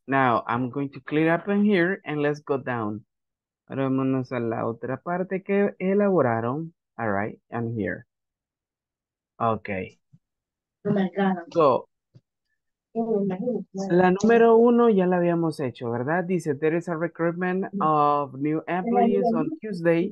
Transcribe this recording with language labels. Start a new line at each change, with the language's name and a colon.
English: Now, I'm going to clear up in here and let's go down.
Spanish: Ahora vámonos a la otra parte que elaboraron.
English: All right, I'm here. Okay. Oh my God.
Spanish: So, la número uno ya la habíamos hecho, ¿verdad?
English: Dice, there is a recruitment of new employees on Tuesday.